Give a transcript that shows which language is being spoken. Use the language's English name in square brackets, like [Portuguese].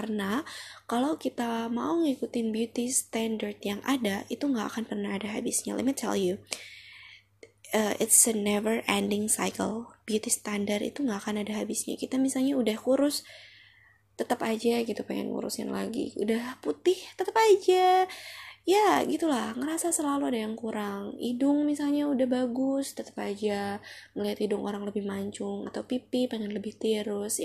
[Indonesian] Karena kalau kita mau ngikutin beauty standard yang ada, itu gak akan pernah ada habisnya. [English] Let me tell you, it's a never ending cycle. [Indonesian] Beauty standard itu gak akan ada habisnya. Kita misalnya udah kurus, tetap aja gitu pengen ngurusin lagi. Udah putih, tetap aja. Ya gitulah, ngerasa selalu ada yang kurang. Hidung misalnya udah bagus, tetap aja ngeliat hidung orang lebih mancung, atau pipi pengen lebih tirus.